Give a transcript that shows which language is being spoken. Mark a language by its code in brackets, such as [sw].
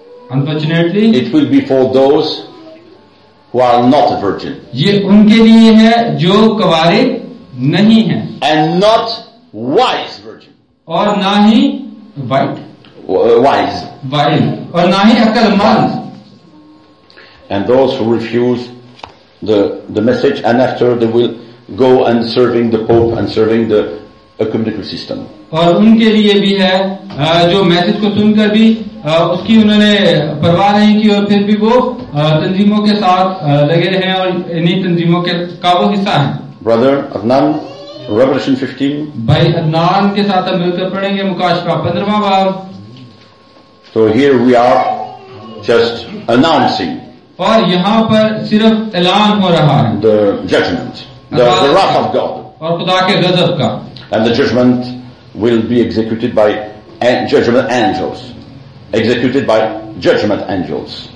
[en] unfortunately, it will be for those who are not a virgin. [hi] ये उनके लिए है जो कवारे नहीं है. [en] And not wise virgin. [hi] और ना ही white. [en] Wise. [hi] Wise. और ना ही अकलमंद. [en] And those who refuse the message, and after they will go and serving the Pope and serving the ecumenical system. [hi] और उनके लिए भी है जो मैसेज को सुनकर भी उसकी उन्होंने परवाह नहीं की और फिर भी वो तंजीमों के साथ लगे रहे और इन्हीं तंजीमों का वो हिस्सा है. [en] Brother Adnan, Revelation 15. [hi] भाई अदनान के साथ हम मिलकर पढ़ेंगे मुकाशफा 15वां बाब. [en] So here we are just announcing. [hi] और यहाँ पर सिर्फ ऐलान हो रहा है. [en] The judgment, the wrath of God. [hi] और खुदा के गजब का. [en] And the judgment will be executed by judgment angels. Executed by judgment angels.